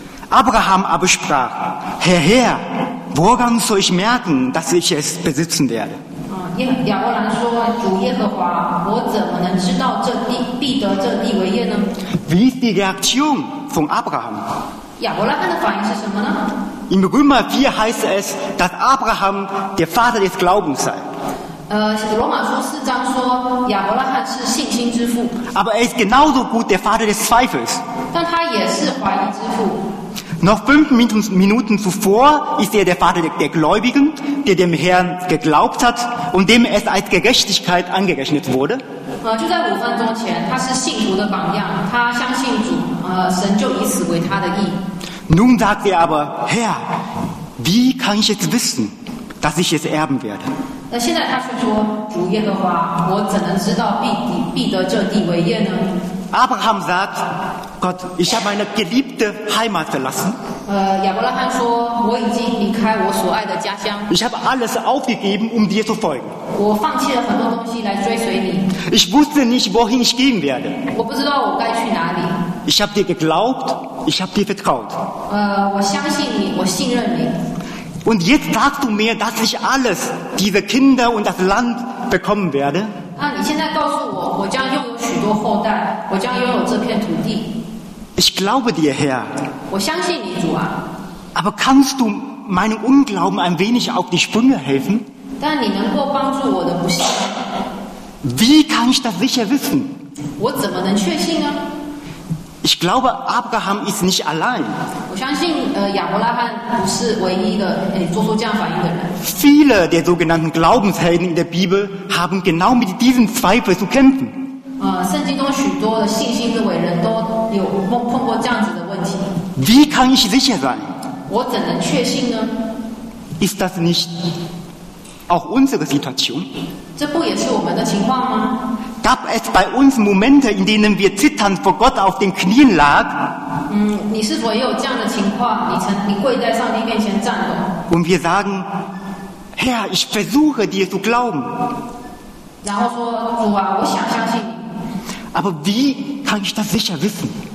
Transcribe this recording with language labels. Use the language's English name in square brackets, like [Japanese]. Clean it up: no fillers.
[German] Abraham aber sprach: Herr, Herr, woran soll ich merken, dass ich es besitzen werde? [Chinese] 亚伯兰说：主耶和华，我怎么能知道这地必得这地为业呢？ [German] Wie ist die Reaktion von Abraham? [Chinese] 亚伯拉罕的反应是什么呢？ [German] Im Römer 4 heißt es, dass Abraham der Vater des Glaubens sei. [Chinese] 罗马书四章说亚伯拉罕是信心之父。 [German] Aber er ist genauso gut der Vater des Zweifels. [Chinese] 但他也是怀疑之父。 [German] Noch 5 Minuten zuvor ist er der Vater der Gläubigen, der dem Herrn geglaubt hat und dem es als Gerechtigkeit angerechnet wurde. [Chinese] 就在五分钟前，他是信徒的榜样，他相信主，神就以此为他的义。 [German] Nun sagt er aber: Herr, wie kann ich jetzt wissen, dass ich es erben werde? [Chinese] 那现在他却说：主耶和华，我怎能知道必得这地为业呢？ [German] Abraham sagt:Gott, ich habe meine geliebte Heimat verlassen. [Chinese] 亚伯拉罕说：我已经离开我所爱的家乡。 [German] Ich habe alles aufgegeben, um dir zu folgen. [Chinese] 我放弃了很多东西来追随你。 [German] Ich wusste nicht, wohin ich gehen werde. [Chinese] 我不知道我该去哪里。 [German] Ich habe dir geglaubt, ich habe dir vertraut. [Chinese] 我相信你，我信任你。 [German] Und jetzt sagst du mir, dass ich alles, diese Kinder und das Land bekommen werde? [Chinese] 你现在告诉我，我将拥有许多后代，我将拥有这片土地。 [German] Ich glaube dir, Herr. [Chinese] 我相信你，主啊。 [German] Aber kannst du meinem Unglauben ein wenig auf die Sprünge helfen? [Chinese] 但你能够帮助我的不信。 [German] Wie kann ich das sicher wissen? [Chinese] 我怎么能确信呢？ [German] Ich glaube, Abraham ist nicht allein. [Chinese] 我相信亚伯拉罕不是唯一的做出这样反应的人。 [German] Viele der sogenannten Glaubenshelden in der Bibel haben genau mit diesem Zweifel zu kämpfen. [Chinese] 圣经中许多的信心的伟人都有碰过这样子的问题。 [German] Wie kann ich sicher sein? [Chinese] 我怎能确信呢？ [German] Ist das nicht auch unsere Situation? [Chinese] 这不也是我们的情况吗？ [German] Gab es bei uns Momente, in denen wir zitternd vor Gott auf den Knien lagen? [Chinese] 你是否也有这样的情况？你跪在上帝面前颤抖。 [German] Und wir sagen, Herr, ich versuche dir zu glauben. [Chinese] 然后说，主啊，我想相信你。 [German] Aber wie kann ich das sicher wissen?